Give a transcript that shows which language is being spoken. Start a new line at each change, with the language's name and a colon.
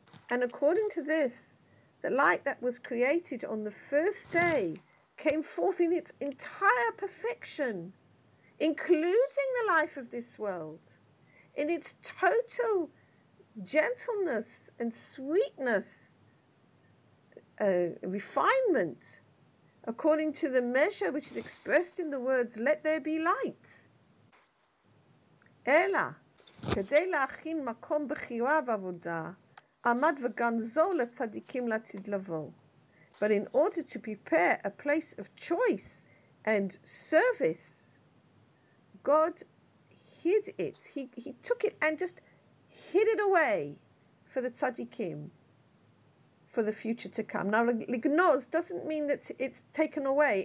English: And according to this, the light that was created on the first day came forth in its entire perfection, including the life of this world, in its total gentleness and sweetness, refinement, according to the measure which is expressed in the words, let there be light.
Hebrew: Ela, כדי להכין מקום בחירה ועבודה, עמד וגנזו לצדיקים לעתיד לבוא.
English: But in order to prepare a place of choice and service, God hid it. He took it and just hid it away for the tzadikim. For the future to come. Now, lignoz doesn't mean that it's taken away.